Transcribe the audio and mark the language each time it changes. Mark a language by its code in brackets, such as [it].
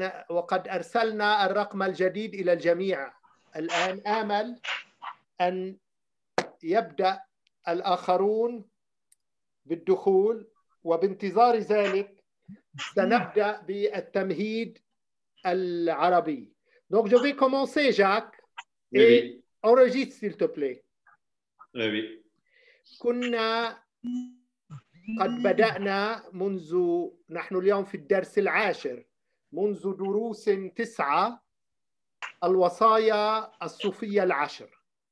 [ar] وقد أرسلنا الرقم الجديد إلى الجميع الآن آمل أن يبدأ الآخرون بالدخول وبانتظار ذلك سنبدأ بالتمهيد العربي. [fr] Donc je vais commencer Jacques et enregistre s'il te plaît. Oui. [ar] كنا قد بدأنا منذ نحن اليوم في الدرس العاشر منذ دروس تسعة الوصايا الصوفية العشر.